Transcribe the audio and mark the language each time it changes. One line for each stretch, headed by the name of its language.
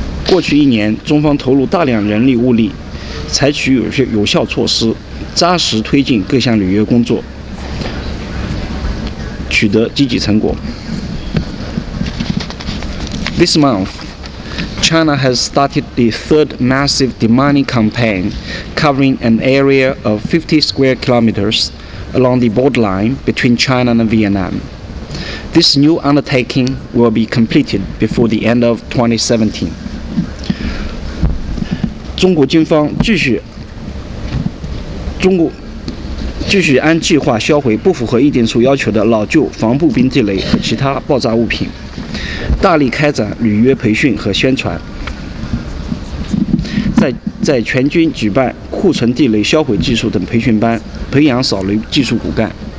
Chinese: 过去一年，中方投入大量人力物力，采取有效措施，扎实推进各项履约工作，取得积极成果。
English: This monthChina has started the third massive demining campaign covering an area of 50 square kilometers along the borderline between China and Vietnam. This new undertaking will be completed before the end of 2017.
Chinese: 中国军方继续按计划销毁不符合议定书要求的老旧防步兵地雷和其他爆炸物品，大力开展履约培训和宣传，在全军举办库存地雷销毁技术等培训班，培养扫雷技术骨干。